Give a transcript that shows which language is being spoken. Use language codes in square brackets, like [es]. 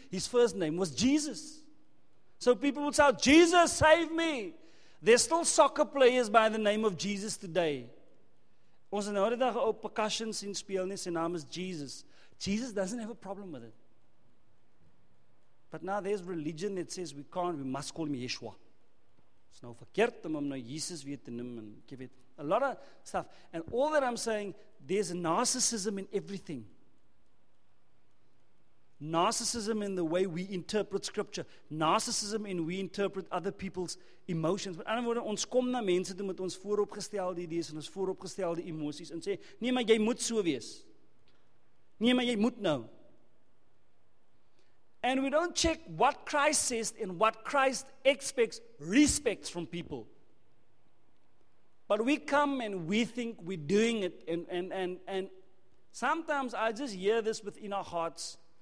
[en] His first name was Jesus. So people would shout, Jesus, save me. There's still soccer players by the name of Jesus today. [af] Ons het nou die dag op percussion sien speel nie, sy naam is Jesus. [en] Jesus doesn't have a problem with it. But now there's religion that says we can't, we must call him Yeshua. It's [af] nou verkeerd om hom nou Jesus weer te noem. [en] A lot of stuff. And all that I'm saying, there's narcissism in everything. Narcissism in the way we interpret scripture. Narcissism in we interpret other people's emotions. [af] Met ander woorde, ons kom na mense toe met ons vooropgestelde idees en ons vooropgestelde emosies en sê, nee, maar jy moet so wees. Nee, maar jy moet nou. [en] And we don't check what Christ says and what Christ expects, respects from people. But we come and we think we're doing it. And sometimes I just hear this within our hearts.